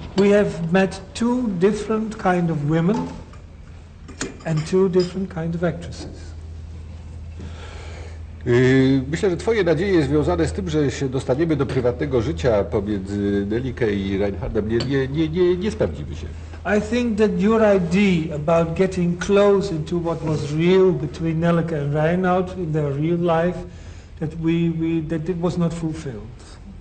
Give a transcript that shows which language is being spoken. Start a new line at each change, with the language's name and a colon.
English: We have met two different kind of women and two different kind of actresses.
Polish: Myślę, że twoje nadzieje związane z tym, że się dostaniemy do prywatnego życia pomiędzy Delicke i Reinhardem nie sprawdziły się.
English: I think that your idea about getting close into what was real between Nelleke and Reinhardt in their real life, that that it was not fulfilled.